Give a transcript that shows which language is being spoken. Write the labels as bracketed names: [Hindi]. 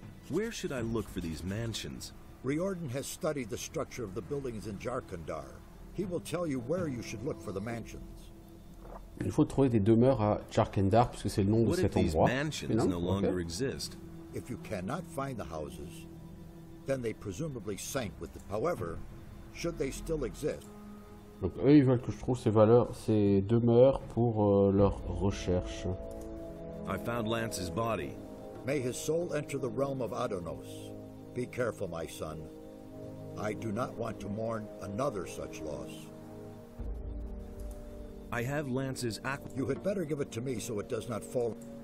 [English] Where should I look for these mansions? Riordan has studied the structure of the buildings in Jarkandar. He will tell you where you should look for the mansions. [French] Il faut trouver des demeures à Jarkandar puisque c'est le nom de cet endroit. [English] What if these mansions no longer exist? If you cannot find the houses, then they presumably sank with the... However, should they still exist? [French] Donc eux, ils veulent que je trouve ces valeurs, ces demeures pour leur recherche. [English] I found Lance's body. May his soul enter the realm of Adonos. Be careful, my son. I do not want to mourn another such loss. I have Lance's aqu... You had better give it to me so it does not fall.